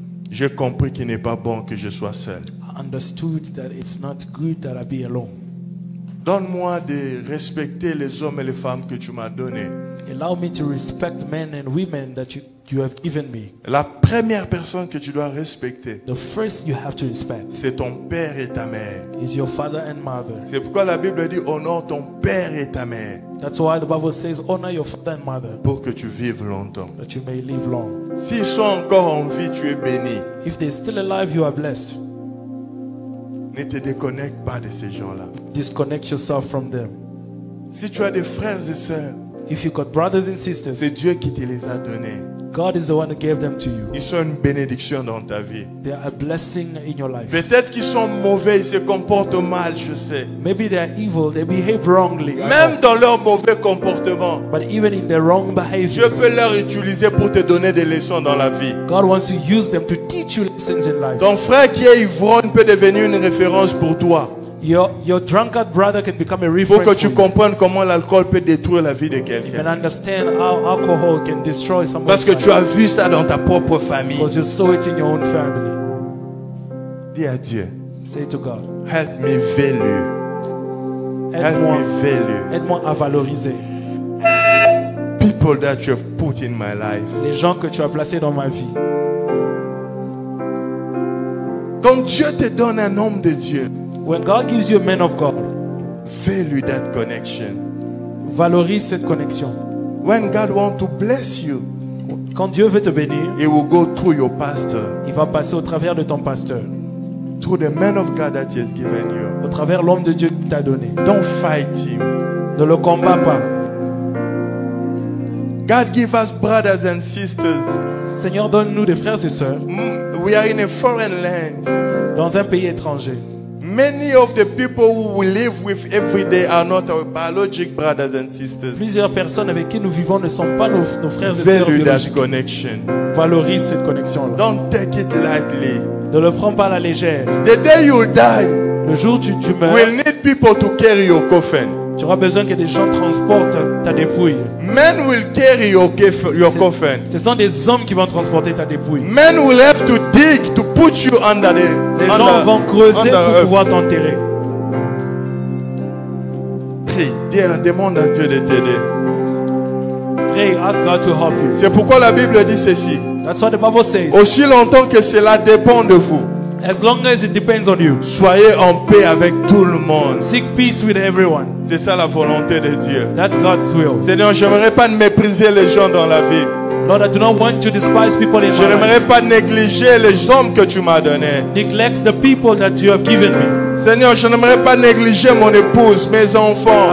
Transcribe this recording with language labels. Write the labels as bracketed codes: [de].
[fr] J'ai compris qu'il n'est pas bon que je sois seul. [en] I understood that it's not good that I be alone. [fr] Donne-moi de respecter les hommes et les femmes que tu m'as donnés. [en] Allow me to respect men and women that you have given me. [fr] La première personne que tu dois respecter, [en] the first you have to respect, [fr] c'est ton père et ta mère. [en] Is your father and mother. [fr] C'est pourquoi la Bible dit honore ton père et ta mère. [en] That's why the Bible says honor your father and mother. [fr] Pour que tu vives longtemps. [en] That you may live long. [fr] S'ils sont encore en vie, tu es béni. [en] If they're still alive, you are blessed. [fr] Ne te déconnecte pas de ces gens-là. [en] Disconnect yourself from them. [fr] Si tu as des frères et sœurs, [en] if you got brothers and sisters, [fr] c'est Dieu qui te les a donnés. [en] God is the one who gave them to you. [fr] Ils sont une bénédiction dans ta vie. [en] They are a blessing in your life. [fr] Peut-être qu'ils sont mauvais, ils se comportent mal, je sais. [en] Maybe they are evil, they behave wrongly. [fr] Même dans leur mauvais comportement. [en] But even in their wrong behavior. [fr] Dieu peut leur utiliser pour te donner des leçons dans la vie. [en] God wants to use them to teach you lessons in life. [fr] Ton frère qui est ivrogne peut devenir une référence pour toi. [en] Your drunkard brother can become a reference. [fr] Pour que tu comprennes comment l'alcool peut détruire la vie de quelqu'un. [en] You can understand how alcohol can destroy somebody. [fr] Parce que tu as vu ça dans ta propre famille. [en] Because you saw it in your own family. [fr] Dis à Dieu. [en] Say to God. Help me value. [fr] Aide-moi. Aide-moi à valoriser. [en] People that you have put in my life. [fr] Les gens que tu as placés dans ma vie. Quand Dieu te donne un homme de Dieu. [en] When God gives you a man of God, value that connection. [fr] Valorise cette connexion. [en] When God wants to bless you, [fr] quand Dieu veut te bénir, [en] he will go through your pastor. [fr] Il va passer au travers de ton pasteur. [en] Through the man of God that he has given you. [fr] Au travers l'homme de Dieu qui t'a donné. [en] Don't fight him. [fr] Ne le combat pas. [en] God give us brothers and sisters. [fr] Seigneur, donne-nous des frères et sœurs. [en] We are in a foreign land. [fr] Dans un pays étranger. [en] Many of the people who we live with every day are not our biological brothers and sisters. [fr] Plusieurs personnes avec qui nous vivons ne sont pas nos frères et sœurs biologiques. [en] Value that connection. [fr] Valorise cette connexion. [en] Don't take it lightly. [fr] Ne le prends pas à la légère. [en] The day you die, [fr] le jour où tu meurs, [en] we'll need people to carry your coffin. [fr] Tu auras besoin que des gens transportent ta dépouille. [en] Men will carry your coffin. [fr] Ce sont des hommes qui vont transporter ta dépouille. [en] Men will have to dig to put you under the. [fr] Les [en] under, [fr] gens vont creuser pour [en] earth. [fr] Pouvoir t'enterrer. Prie, demande à Dieu de t'aider. [en] Pray, ask God to help you. [fr] C'est pourquoi la Bible dit ceci. [en] That's what the Bible says. [fr] Aussi longtemps que cela dépend de vous. [en] As long as it depends on you. [fr] Soyez en paix avec tout le monde. [en] Seek peace with everyone. [fr] C'est ça la volonté de Dieu. [en] That's God's will. [fr] Seigneur, je n'aimerais pas mépriser les gens dans la vie. [en] Lord, I do not want to despise people in my life. [fr] Je n'aimerais pas négliger les hommes que tu m'as donné. [en] Neglect the people that you have given me. [fr] Seigneur, je n'aimerais pas négliger mon épouse, mes enfants.